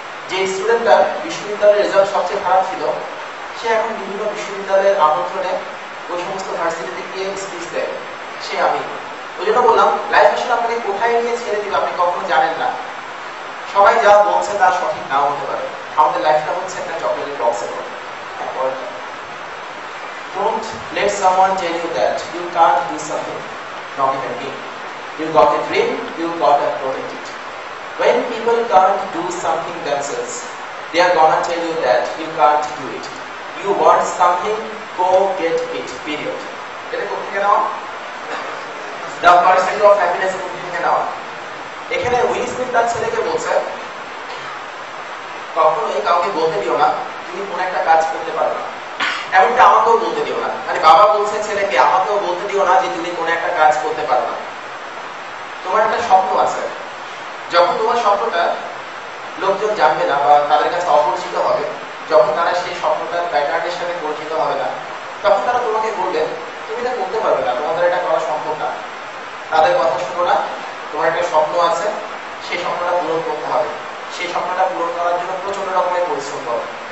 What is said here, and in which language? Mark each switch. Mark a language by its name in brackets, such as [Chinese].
[Bangla] যে স্টুডেন্টটার বিশ্ববিদ্যালয়ের রেজাল্ট সবচেয়ে খারাপ ছিল, সে এখন বিভিন্ন বিশ্ববিদ্যালয়ের আমন্ত্রণে ওই সমস্ত ভার্সিটিতে গিয়ে স্পিচ দেয়, সে আমি। ওই জন্য বললাম লাইফ আসলে আপনাকে কোথায় গিয়ে ছেড়ে দিবে আপনি কখনো জানেন না, সবাই যা বলছে তা সঠিক নাও হতে পারে, আমাদের লাইফটা হচ্ছে একটা চকলেটের বক্সে। [English] Don't let someone tell you that you can't do something, not even me. You got a dream, you got a project. When people can't do something themselves, they are gonna tell you that you can't do it. You want something, go get it, period. [Bangla] এটা কোথা থেকে নেওয়া? The Pursuit of Happiness কোথা থেকে নেওয়া? এখানে will Smith তার ছেলেকে বলছে, কখনোই কাউকে বলতে দিও না তুমি কোনো একটা কাজ করতে পারো না, এমনটা আমাকেও বলতে দিও না, মানে বাবা বলছে ছেলেকে আমাকেও বলতে দিও না যে তুমি কোনো একটা কাজ করতে পারো না। তোমার একটা স্বপ্ন আছে, যখন তোমার স্বপ্নটা লোকজন জানবে না বা তাদের কাছে অপরিচিত হবে, যখন তারা সেই স্বপ্নটার প্যাটার্নের সাথে পরিচিত হবে না, তখন তারা তোমাকে বলবে তুমি এটা করতে পারবে না, তোমাদের এটা করা সম্ভব না, তাদের কথা শুনো না, তোমার একটা স্বপ্ন আছে সেই স্বপ্নটা পূরণ করতে হবে, সেই স্বপ্নটা পূরণ করার জন্য প্রচন্ড রকমের পরিশ্রম করো।